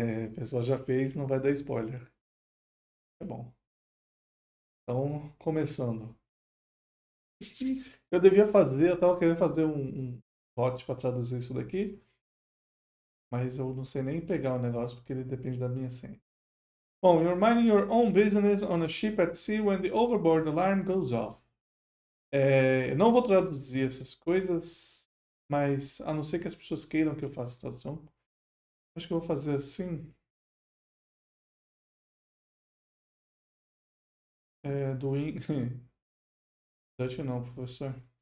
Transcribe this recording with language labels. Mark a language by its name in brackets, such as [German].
[Portuguese] O pessoal já fez. Não vai dar spoiler. É bom. Então, começando. Eu devia fazer, eu tava querendo fazer um bot para traduzir isso daqui, mas eu não sei nem pegar o negócio porque ele depende da minha senha. [English] Bom, you're minding your own business on a ship at sea when the overboard alarm goes off. [Portuguese] É, não vou traduzir essas coisas, mas a não ser que as pessoas queiram que eu faça a tradução, acho que eu vou fazer assim. É, doing. Dutch não, professor.